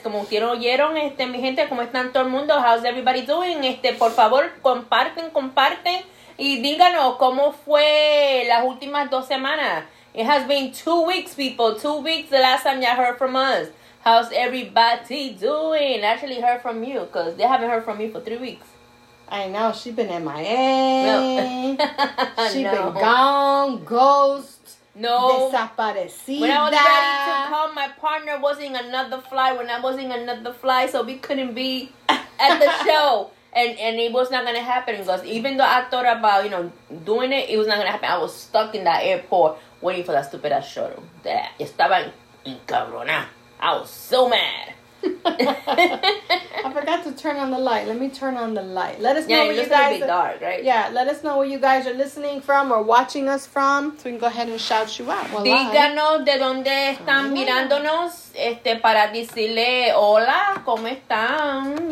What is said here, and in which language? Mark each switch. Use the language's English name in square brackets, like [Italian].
[Spanish] Como ustedes oyeron, mi gente, ¿cómo están todo el mundo? [English] How's everybody doing? [Spanish] Por favor, comparten. Y díganos, ¿cómo fue las últimas dos semanas? [English] It has been 2 weeks, people. 2 weeks, the last time y'all heard from us. How's everybody doing? I actually heard from you, because they haven't heard from me for 3 weeks. I know. She's been MIA. No. She's been gone, ghost, no. [Spanish] Desaparecida. [English] When I was ready to come, my partner was in another flight. When I was in another flight, so we couldn't be at the show. And it was not going to happen, because even though I thought about, you know, doing it, it was not going to happen. I was stuck in that airport waiting for that stupid-ass shuttle. That [Spanish] estaba encabrona. [English] I was so mad. I forgot to turn on the light. Let me turn on the light. Let us know where you guys are. Yeah, it's going to be dark, right? Yeah, let us know where you guys are listening from or watching us from, so we can go ahead and shout you out. [Spanish] Well, díganos de dónde están mirándonos, para decirle hola, ¿cómo están?